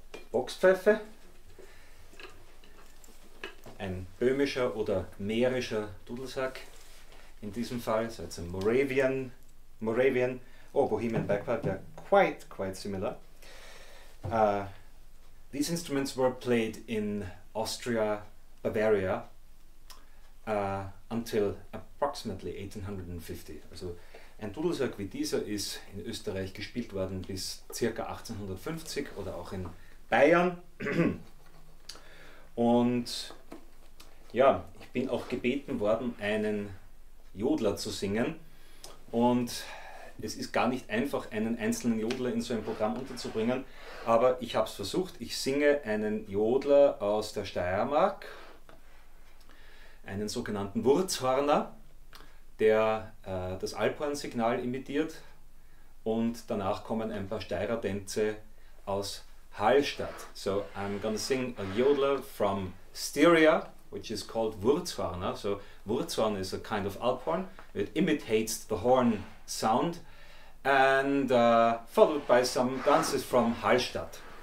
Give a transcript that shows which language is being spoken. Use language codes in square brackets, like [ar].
[de] Boxpfeife, ein böhmischer oder mährischer Dudelsack in diesem Fall, so jetzt ein [en] Moravian, oh, Bohemian Bagpipe, [de] ja, [en] quite similar. These instruments were played in Austria, Bavaria, until approximately 1850. [de] Also ein Dudelsack wie dieser ist in Österreich gespielt worden bis ca. 1850 oder auch in Bayern. Und ja, ich bin auch gebeten worden, einen Jodler zu singen. Und es ist gar nicht einfach, einen einzelnen Jodler in so ein Programm unterzubringen. Aber ich habe es versucht. Ich singe einen Jodler aus der Steiermark, einen sogenannten Wurzhorner, der das Alphornsignal imitiert, und danach kommen ein paar Steirer Tänze aus Hallstatt. [en] So, I'm gonna sing a Jodler from Styria, which is called Wurzhorner. So, Wurzhorn is a kind of Alphorn. It imitates the horn sound, and followed by some dances from Hallstatt.